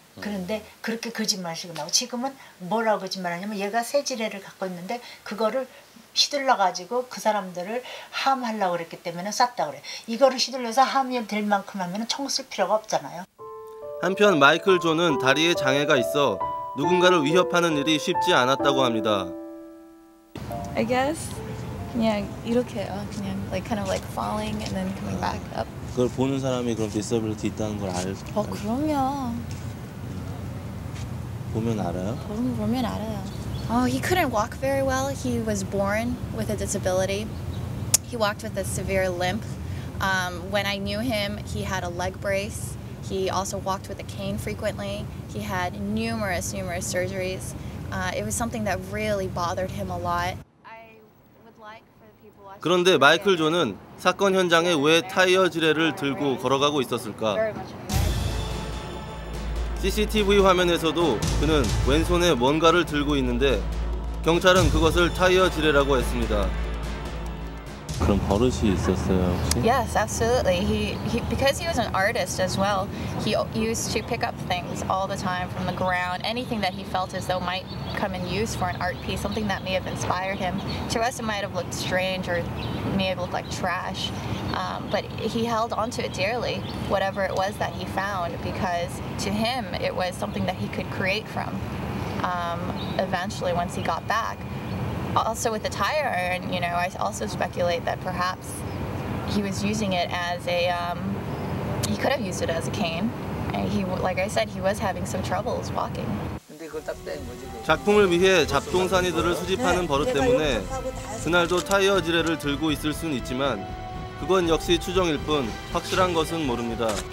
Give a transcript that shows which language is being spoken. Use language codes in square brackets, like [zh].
[ko] 그런데 그렇게 거짓말식을 하고 지금은 뭐라고 거짓말하냐면 얘가 새 지뢰를 갖고 있는데 그거를 휘둘러가지고 그 사람들을 함하려고 그랬기 때문에 쐈다 그래. 이거를 휘둘려서 함이 될 만큼 하면 총 쓸 필요가 없잖아요. 한편 마이클 존은 다리에 장애가 있어 누군가를 위협하는 일이 쉽지 않았다고 합니다. [en] I guess [ko] 그냥 이렇게요. 그냥 [en] like kind of like falling and then coming back up. [ko] 그걸 보는 사람이 그런 disability 있다는 걸 알. 그럼요. 보면 알아요? 보면 알아요. [en] Oh, he couldn't walk very well. He was born with a disability. He walked with a severe limp. When I knew him, he had a leg brace. He also walked with a cane frequently. He had numerous surgeries. It was something that really bothered him a lot. [ko] 그런데 마이클 존은 사건 현장에 왜 타이어 지뢰를 들고 걸어가고 있었을까? CCTV 화면에서도 그는 왼손에 뭔가를 들고 있는데 경찰은 그것을 타이어 지뢰라고 했습니다. 그런 버릇이 있었어요, 혹시? [en] Yes, absolutely. He because he was an artist as well. He used to pick up things all the time from the ground. Anything that he felt as though might come in use for an art piece, something that may have inspired him. To us, it might have looked strange or may have looked like trash. But he held onto it dearly, whatever it was that he found, because to him, it was something that he could create from. Eventually, once he got back. Also with the tire iron, you know, I also speculate that perhaps he was using it as a, he could have used it as a cane. And he, like I said, he was having some troubles walking. [ko] 작품을 위해 잡동사니들을 수집하는 버릇 때문에 그날도 타이어 지뢰를 들고 있을 순 있지만 그건 역시 추정일 뿐 확실한 것은 모릅니다.